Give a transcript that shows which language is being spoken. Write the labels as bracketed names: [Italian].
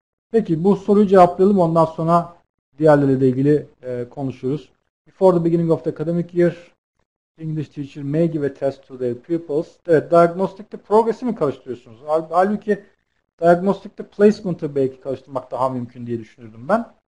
[Turkish] Peki bu soruyu cevaplayalım, ondan sonra diğerleriyle de ilgili konuşuruz. [English] Before the beginning of the academic year, English teacher may give a test to their pupils. [Turkish] Evet, diagnostic'te progress'i mi karıştırıyorsunuz? Halbuki diagnostic'te placement'ı belki karıştırmak daha mümkün diye düşünürdüm ben.